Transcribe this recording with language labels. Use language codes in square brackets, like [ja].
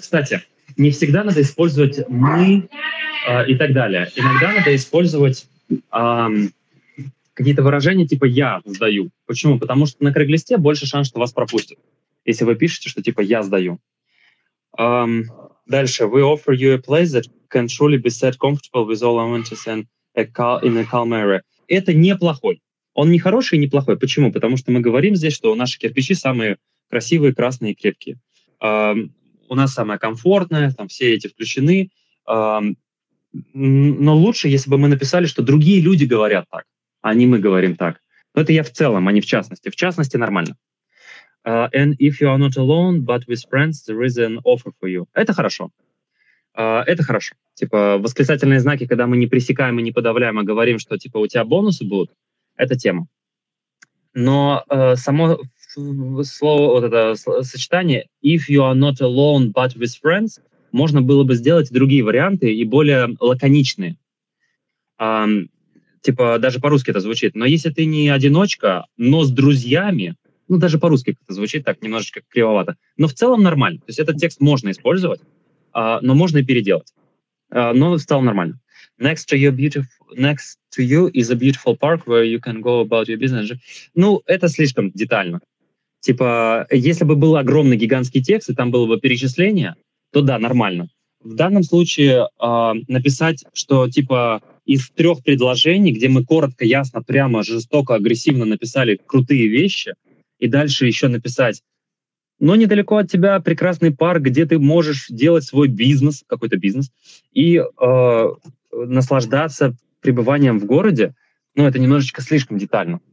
[ru] Кстати, не всегда надо использовать «мы» и так далее. Иногда надо использовать какие-то выражения типа «я сдаю». Почему? Потому что на Craigslist'е больше шанс, что вас пропустят, если вы пишете, что типа «я сдаю». Дальше. [en] «We offer you a place that can truly be set comfortable with all amenities in a calm area». [ru] Это неплохой. Он не хороший и неплохой. Почему? Потому что мы говорим здесь, что наши кирпичи самые красивые, красные и крепкие. У нас самое комфортное, там все эти включены. Но лучше, если бы мы написали, что другие люди говорят так, а не мы говорим так. Но это я в целом, а не в частности. В частности, нормально. [en] And if you are not alone, but with friends, there is an offer for you. [ru] Это хорошо. Это хорошо. Типа восклицательные знаки, когда мы не пресекаем и не подавляем, а говорим, что типа у тебя бонусы будут, это тема. Но само слово, вот это сочетание [en] «if you are not alone, but with friends» [ru] можно было бы сделать другие варианты и более лаконичные. Типа даже по-русски это звучит. Но если ты не одиночка, но с друзьями, ну даже по-русски это звучит так, немножечко кривовато, но в целом нормально. То есть этот текст можно использовать, но можно и переделать. Но в целом нормально. [en] Next to your beautiful, next to you is a beautiful park where you can go about your business. [ru] Ну, это слишком детально. Типа, если бы был огромный гигантский текст, и там было бы перечисление, то да, нормально. В данном случае написать, что типа из трех предложений, где мы коротко, ясно, прямо, жестоко, агрессивно написали крутые вещи, и дальше еще написать, но недалеко от тебя прекрасный парк, где ты можешь делать свой бизнес, какой-то бизнес, и наслаждаться пребыванием в городе, ну, это немножечко слишком детально.